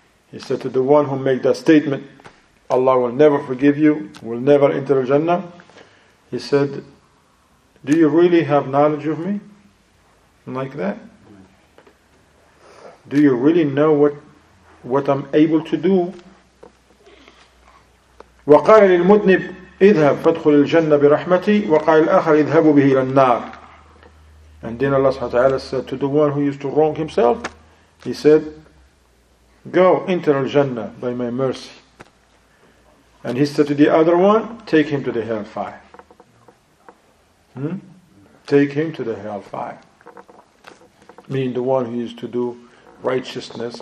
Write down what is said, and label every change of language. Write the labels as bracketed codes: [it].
[en] He said to the one who made that statement, Allah will never forgive you, will never enter Jannah. He said, do you really have knowledge of me? Like that? Do you really know what I'm able to do? [ar] وقال للمذنب اذهب فادخل الجنة برحمتي وقال الآخر اذهبوا به إلى النار. [en] And then Allah subhanahu wa ta'ala said to the one who used to wrong himself, he said, go, enter al-Jannah by my mercy. And he said to the other one, take him to the hellfire. Take him to the hellfire. Meaning the one who used to do righteousness.